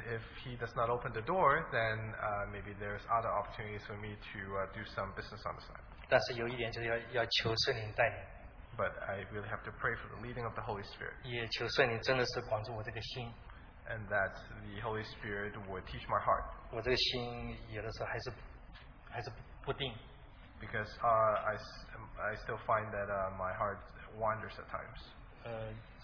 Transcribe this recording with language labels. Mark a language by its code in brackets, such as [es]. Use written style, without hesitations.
[en] if He does not open the door, then maybe there's other opportunities for me to do some business on the side. [zh] 但是有一点就是要求圣灵带领。 [en] But I really have to pray for the leading of the Holy Spirit. [zh] 也求圣灵真的是管住我这个心。 [en] And that the Holy Spirit would teach my heart. [zh] 我这个心有的时候还是不定。 [en] Because I still find that my heart wanders at times.